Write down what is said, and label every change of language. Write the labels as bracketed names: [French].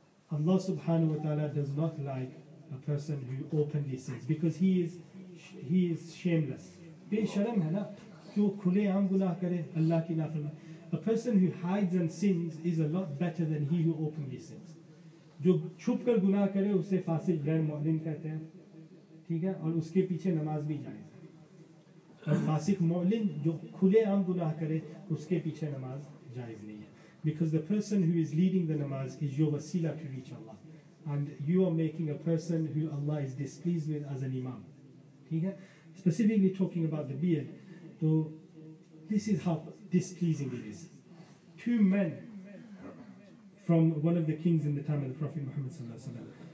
[English] Allah subhanahu wa ta'ala does not like a person who openly sins because he is shameless. [Urdu] Be sharam hai na, jo khule aam gunah kare, Allah ki nafarmani. [English] A person who hides and sins is a lot better than he who openly sins. [Urdu] Jo chup kar gunah kare, usse fasiq ghair mu'min kehte hain. اور اس کے پیچھے نماز بھی جائز ہے. اور فاسق مولن جو کھلے عام گناہ کرے اس کے پیچھے نماز جائز نہیں ہے. [English] Because the person who is leading the namaz is your wasila to reach Allah. And you are making a person who Allah is displeased with as an imam. Specifically talking about the beard, though, this is how displeasing it is. Two men from one of the kings in the time of the Prophet Muhammad صلی اللہ علیہ وسلم.